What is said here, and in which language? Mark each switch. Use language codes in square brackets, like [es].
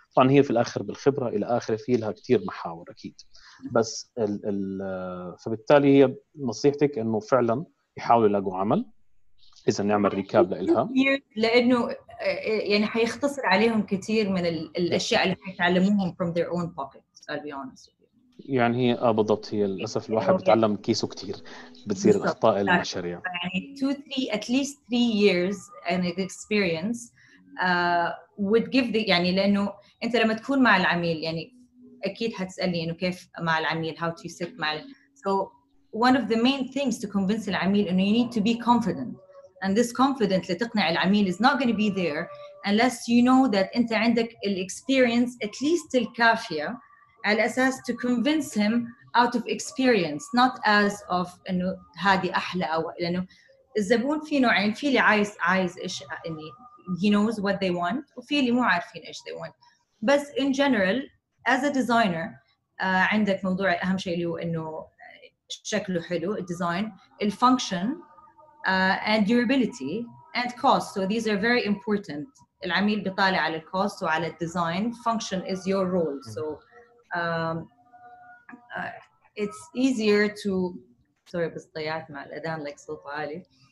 [ar] طبعا هي في الآخر بالخبرة إلى آخر في لها كتير محاور أكيد, بس فبالتالي هي نصيحتك إنه فعلا يحاولوا يلاقوا عمل إذا نعمل ريكاب لإلها, لأنه يعني حيختصر عليهم كثير من الأشياء اللي حيتعلموهم [en] from their own pocket. I'll be honest. [ar] يعني هي بالضبط, هي للأسف الواحد بتعلم كيسه كتير بتصير الأخطاء المشاريع. [en] يعني 2-3 at least 3 years and experience would give the, [ar] يعني لأنه أنت لما تكون مع العميل [en] يعني أكيد هتسألني إنه كيف مع العميل, how to sit مع so one of the main things to convince العميل إنه you need to be confident. And this confidence [ar] لتقنع العميل [en] is not going to be there unless you know that [ar] أنت عندك ال [en] experience at least [ar] الكافية على أساس [en] to convince him out of experience, not as of [ar] إنه هذه أحلى. أو لأنه الزبون في نوعين, في اللي عايز إيش إني [en] he knows what they want, [ar] وفي اللي مو عارفين إيش [en] they want. بس in general as a designer [ar] عندك موضوع أهم شيء اللي هو إنه شكله حلو, [en] design, the function, and durability and cost. So these are very important. [ar] العميل بيطالع على cost وعلى design. [en] Function is your role. So it's easier to [ar] سوري بس ضيعت مع الأذان لك صوت عالي.